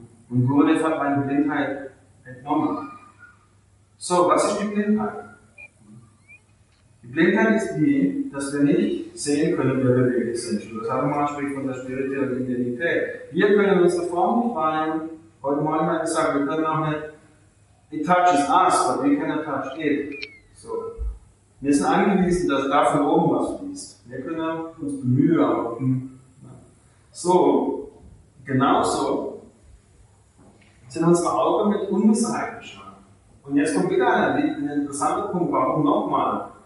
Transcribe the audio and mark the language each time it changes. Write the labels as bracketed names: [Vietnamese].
[German] Und Gurudev hat meine Blindheit entnommen. So, was ist die Blindheit? Die Blindheit ist die, dass wir nicht sehen können, wer wir wirklich sind. Schon das andere Mal spricht von der spirituellen Identität. Wir können unsere Form nicht wahrnehmen. Heute Morgen hat gesagt, wir können auch nicht. [English] It touches us, but we cannot touch it. [German] So. Wir sind angewiesen, dass da von oben was fließt. Wir können uns bemühen. So, genauso sind unsere Augen mit Unwissenheit beschlagen. Und jetzt kommt wieder ein interessanter Punkt, warum nochmal?